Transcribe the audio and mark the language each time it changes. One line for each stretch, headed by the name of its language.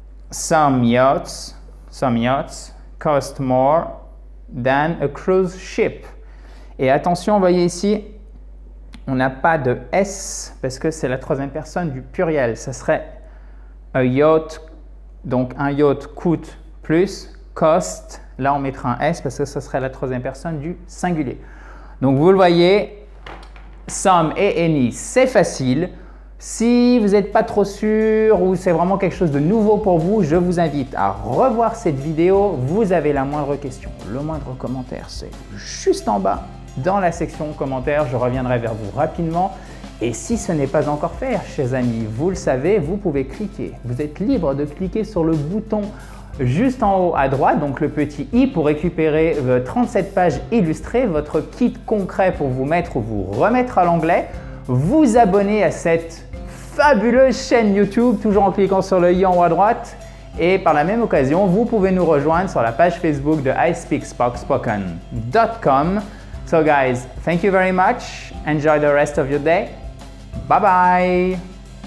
English: Some yachts cost more than a cruise ship.
French: Et attention, vous voyez ici, on n'a pas de S parce que c'est la troisième personne du pluriel. Ça serait a yacht. Donc, un yacht coûte plus. Cost. Là, on mettra un S parce que ça serait la troisième personne du singulier. Donc, vous le voyez, some et any, c'est facile. Si vous n'êtes pas trop sûr ou c'est vraiment quelque chose de nouveau pour vous, je vous invite à revoir cette vidéo. Vous avez la moindre question, le moindre commentaire, c'est juste en bas dans la section commentaires. Je reviendrai vers vous rapidement. Et si ce n'est pas encore fait, chers amis, vous le savez, vous pouvez cliquer. Vous êtes libre de cliquer sur le bouton juste en haut à droite, donc le petit i, pour récupérer 37 pages illustrées, votre kit concret pour vous mettre ou vous remettre à l'anglais. Vous abonner à cette fabuleuse chaîne YouTube, toujours en cliquant sur le i en haut à droite. Et par la même occasion, vous pouvez nous rejoindre sur la page Facebook de ispeakspoken.com.
English: So guys, thank you very much. Enjoy the rest of your day. Bye bye.